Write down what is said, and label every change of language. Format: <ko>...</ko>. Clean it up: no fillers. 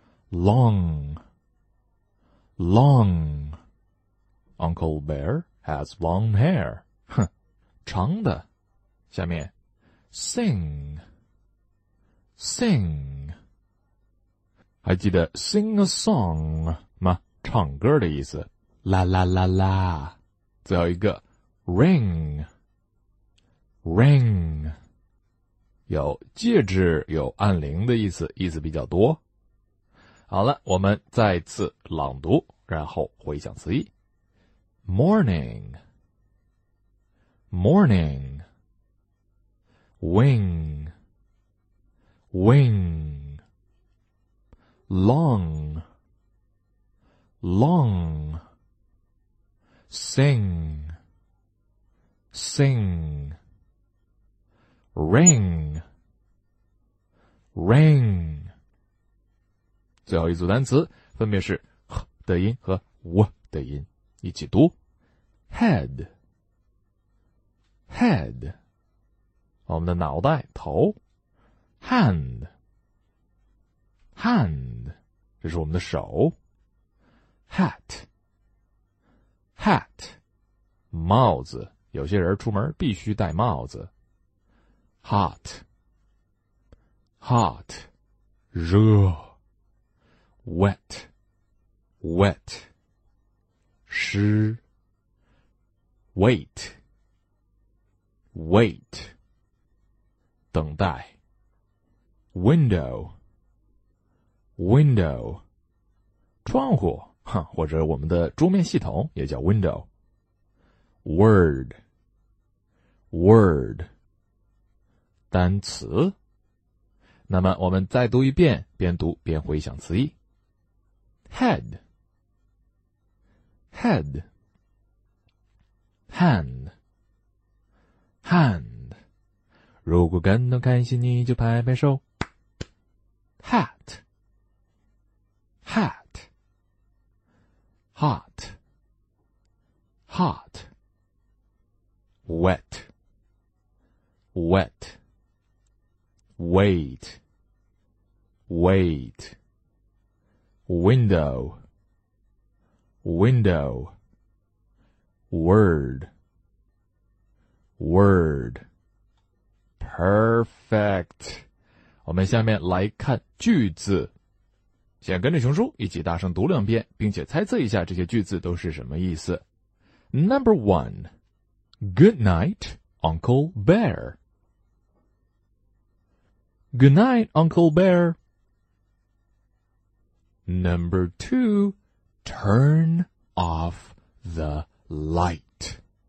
<en>Long, long, Uncle Bear has long hair,</en> <zh>长的。下面 sing, sing,还记得</zh> <en>sing a song</en> <zh>吗？唱歌的意思。啦啦啦啦。最后一个 ,ring, ring, 有戒指，有按铃的意思，意思比较多。好了，我们再次朗读，然后回想词义。</zh> <en>morning, morning, wing, wing,Long, long, sing, sing, ring, ring.</en> <zh>最后一组单词分别是 h 的音和 w 的音，一起读</zh> <en>head, head,</en> <zh>我们的脑袋头</zh> <en>hand,Hand,</en> <zh>这是我们的手。</zh> <en>Hat, hat,</en> <zh>帽子，有些人出门必须戴帽子。</zh> <en>Hot, hot,</en> <zh>热。</zh> <en>Wet, wet,</en> <zh>湿。</zh> <en>Wait, wait,</en> <zh>等待。 Window,Window, 窗户，或者我们的桌面系统也叫 window.</zh> <en>Word, word,</en> <zh>单词。那么我们再读一遍，边读边回想词义。</zh> <en>Head, head, hand, hand,</en> <zh>如果感到开心你就拍拍手。</zh> <en>Hat, hat, hot, hot, wet, wet, wait, wait, window, window, word, word. Perfect.</en> <zh>我们下面来看句子。先跟着熊叔一起大声读两遍，并且猜测一下这些句子都是什么意思。</zh> <en>Number one, Good night, Uncle Bear. Good night, Uncle Bear. Number two, Turn off the light.</en>